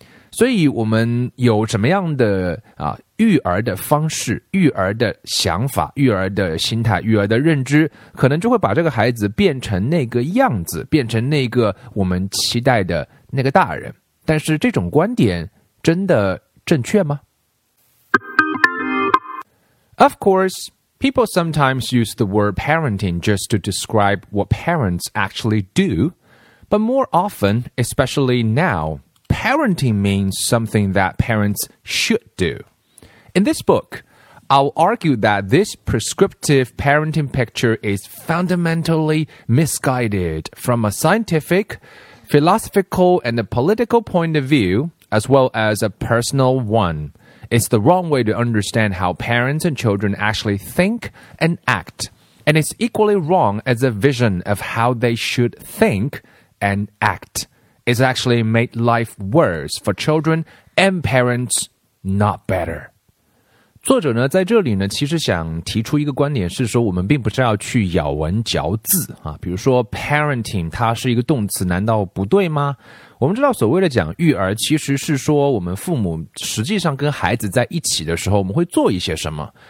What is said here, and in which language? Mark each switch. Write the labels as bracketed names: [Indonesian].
[Chinese] 所以我们有什么样的育儿的方式、育儿的想法、育儿的心态、育儿的认知，可能就会把这个孩子变成那个样子，变成那个我们期待的那个大人。但是这种观点真的正确吗？ [English] Of course, people sometimes use the word parenting just to describe what parents actually do, but more often, especially now,Parenting means something that parents should do. In this book, I'll argue that this prescriptive parenting picture is fundamentally misguided from a scientific, philosophical, and a political point of view, as well as a personal one. It's the wrong way to understand how parents and children actually think and act, and it's equally wrong as a vision of how they should think and act. It's actually made life worse for children and parents, not better. [Chinese] 作者呢在这里呢其实想提出一个观点，是说我们并不是要去咬文嚼字啊。比如说 parenting 它是一个动词，难道不对吗？我们知道所谓的讲育儿，其实是说我们父母实际上跟孩子在一起的时候我们会做一些什么。